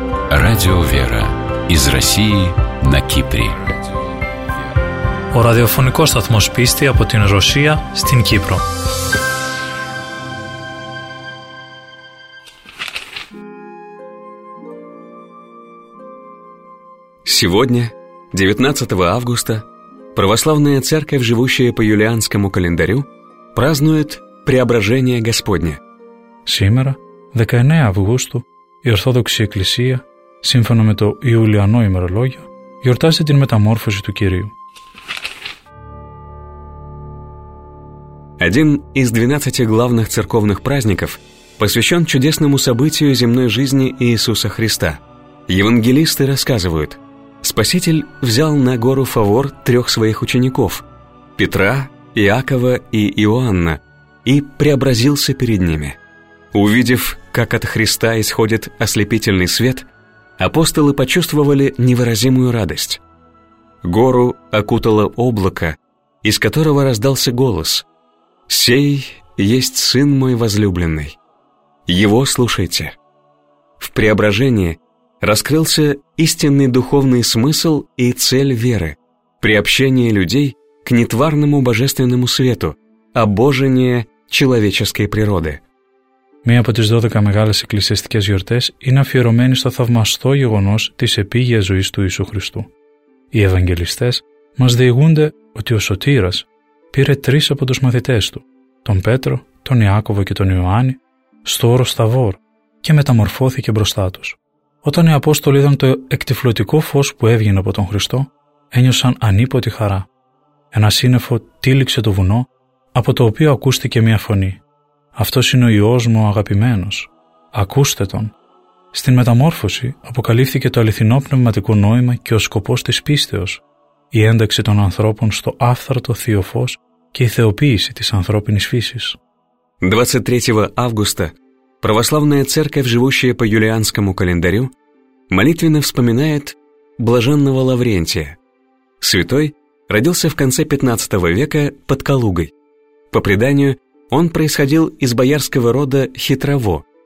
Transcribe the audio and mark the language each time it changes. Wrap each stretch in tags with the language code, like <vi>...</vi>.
<ru>Радио «Вера» из России на Кипре.</ru> <el>Ο ραδιοφωνικός σταθμός πίστη από την Ρωσία στην Κύπρο.</el> <ru>Сегодня, 19 августа, Православная Церковь, живущая по юлианскому календарю, празднует Преображение Господне. Сегодня, 19 августа,</ru> <el>η Ορθόδοξη Εκκλησία, σύμφωνα με το Ιουλιανό ημερολόγιο, γιορτάζει την μεταμόρφωση του Κυρίου.</el> <ru>Один из 12 главных церковных праздников посвящен чудесному событию земной жизни Иисуса Христа. Евангелисты рассказывают, Спаситель взял на гору Фавор трех своих учеников, Петра, Иакова и Иоанна, и преобразился перед ними. Увидев, как от Христа исходит ослепительный свет, апостолы почувствовали невыразимую радость. Гору окутало облако, из которого раздался голос – «Сей есть Сын мой возлюбленный. Его слушайте». В преображении раскрылся истинный духовный смысл и цель веры – приобщение людей к нетварному божественному свету, обожение человеческой природы.</ru> <el>Μία από τις 12 μεγάλες εκκλησιαστικές γιορτές είναι αφιερωμένη στο θαυμαστό γεγονός της επίγειας ζωής του Ιησού Χριστού. Οι Ευαγγελιστές μας διηγούνται ότι ο Σωτήρας πήρε τρεις από τους μαθητές του, τον Πέτρο, τον Ιάκωβο και τον Ιωάννη, στο όρο Σταβόρ και μεταμορφώθηκε μπροστά τους. Όταν οι Απόστολοι είδαν το εκτυφλωτικό φως που έβγαινε από τον Χριστό, ένιωσαν ανίποτη χαρά. Ένα σύννεφο τύλιξε το βουνό, από το οποίο ακούστηκε μια φωνή. «Αυτός είναι ο Υιός μου ο αγαπημένος. Ακούστε τον». Στην μεταμόρφωση αποκαλύφθηκε το αληθινό πνευματικό νόημα και ο σκοπός της πίστεως, η ένταξη των ανθρώπων στο άφθαρτο θείο φως και η θεοποίηση της ανθρώπινης φύσης.</el> <ru>23 Αύγουστα, Православная Церковь, живущая по юлианскому календарю, молитвенно вспоминает Блаженного Лаврентия. Святой родился в конце 15 века под Калугой. По преданию, он происходил из боярского рода Хитрово.</ru>